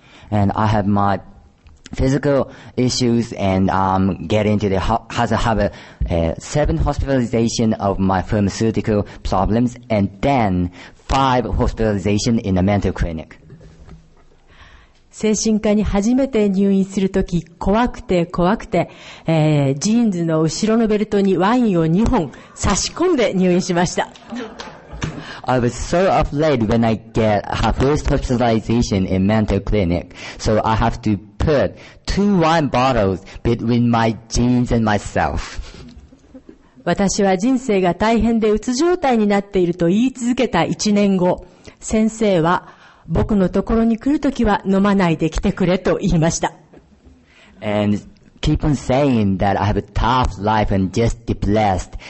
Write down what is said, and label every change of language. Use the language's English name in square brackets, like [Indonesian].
[English] And I have my physical issues and get into the seven hospitalization of my pharmaceutical problems and then five hospitalization in a mental clinic. [Japanese] 精神科に初めて入院するとき怖くて怖くて、ジーンズの後ろのベルトにワインを2本差し込んで入院しました。 [English] I was so afraid when I get her first hospitalization in mental clinic, so I have to put two wine bottles between my jeans and myself. [Japanese] 私は人生が大変で鬱状態になっていると言い続けた1年後、先生は僕のところに来るときは飲まないで来てくれと言いました。 [English] And keep on saying that I have a tough life and just depressed.